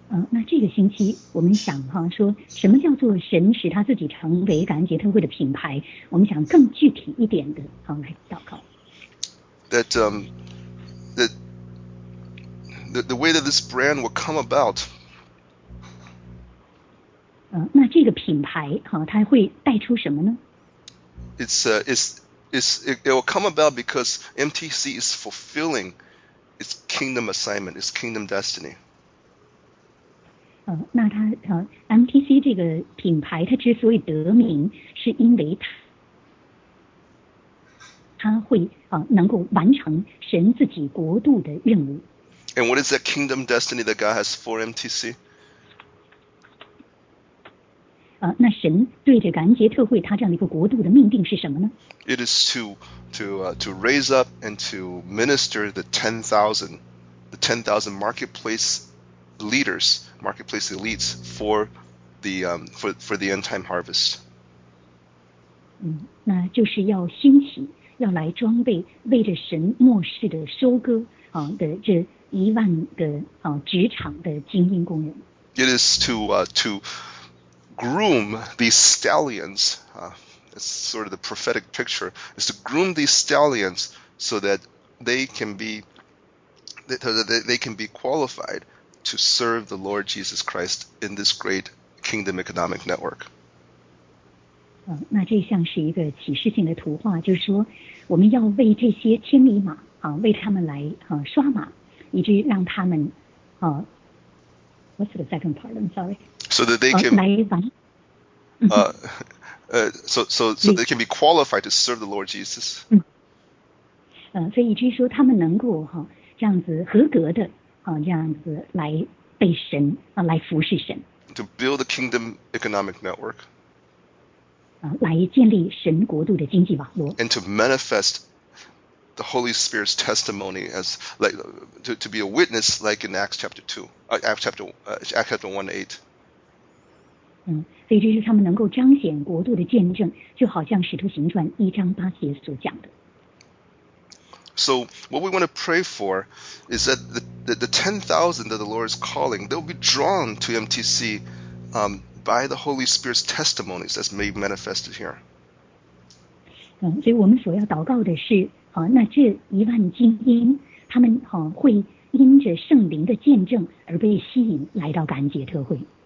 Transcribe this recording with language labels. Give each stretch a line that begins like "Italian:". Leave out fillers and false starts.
Chinese: 那这个星期我们想哈、啊、说什么叫做神使他自己成为感恩节特会的品牌，我们想更具体一点的哈、啊、来祷告。
English: That the way that this brand will come about.
Chinese: 那这个品牌哈、啊、它会带出什么呢？
English: It will come about because MTC is fulfilling its kingdom assignment, its kingdom destiny.
Chinese: 那它MTC 这个品牌它之所以得名，是因为它会能够完成神自己国度的任务。
English: And what is that kingdom destiny that God has for MTC?
Chinese: 那神对着感恩节特会他这样的一个国度的命定是什么呢？
English: It is to raise up and to minister the 10,000 marketplace leaders, marketplace elites for the end time harvest.
Chinese: 那就是要兴起，要来装备为着神末世的收割的这一万个职场的精英工人。
English: It is to groom these stallions, it's sort of the prophetic picture, is to groom these stallions so that they can be qualified to serve the Lord Jesus Christ in this great kingdom economic network.
Chinese: 那这像是一个启示性的图画，就是说我们要为这些千里马为他们来刷马，以至于让他们
English: What's the second part? I'm sorry. So that they can so they can be qualified to serve the Lord Jesus.
Chinese: 所以以至于说他们能够这样子合格的这样子来被神来服侍神。
English: To build the kingdom economic network.
Chinese: 来建立神国度的经济网络。
English: And to manifest the Holy Spirit's testimony as like to be a witness like in Acts chapter 2. Acts chapter 1:8.
Chinese: 所以这是他们能够彰显国度的见证，就好像《使徒行传》一章八节所讲的。
English: So what we want to pray for is that the 10,000 that the Lord is calling, they'll be drawn to MTC by the Holy Spirit's testimonies that's made manifested here.
Chinese: 所以我们所要祷告的是，那这一万精英，他们会因着圣灵的见证而被吸引来到感恩节特会。